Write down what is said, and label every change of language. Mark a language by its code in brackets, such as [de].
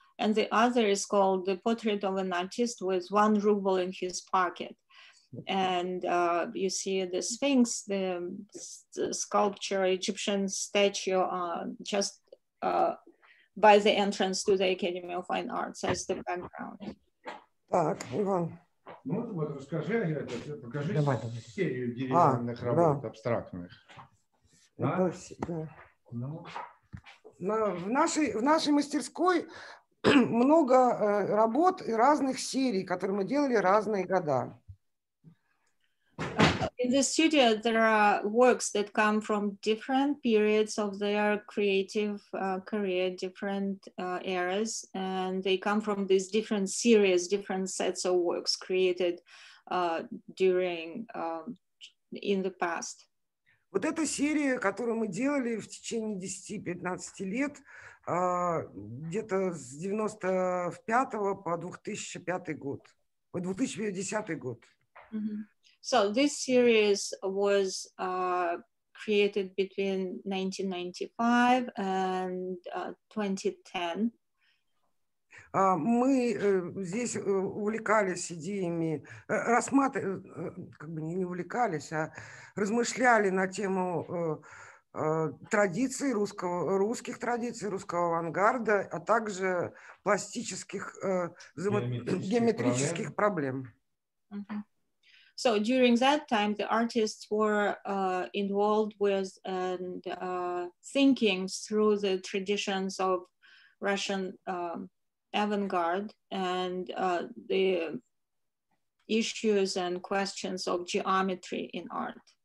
[en] And the other is called the portrait of an artist with 1 ruble in his pocket. And you see the Sphinx, the sculpture, Egyptian statue, just by the entrance to the Academy of Fine Arts as the background. [ru] Так, Иван. Ну вот расскажи, покажи серию деревянных работ абстрактных. Да. Ну, В нашей мастерской много работ и разных серий, которые мы делали разные года. [en] In the studio, there are works that come from different periods of their creative career, different eras, and they come from these different series, different sets of works created during in the past. [ru] Вот эта серия, которую мы делали в течение 10-15 лет, где-то с 95 по 2005 год, по 2010 год. [en] So this series was created between 1995 and 2010. [ru] Мы здесь увлекались идеями, как бы не увлекались, а размышляли на тему традиций русского, русских традиций, русского авангарда, а также пластических, геометрических проблем. [en] So during that time, the artists were involved with and thinking through the traditions of Russian avant-garde and the issues and questions of geometry in art.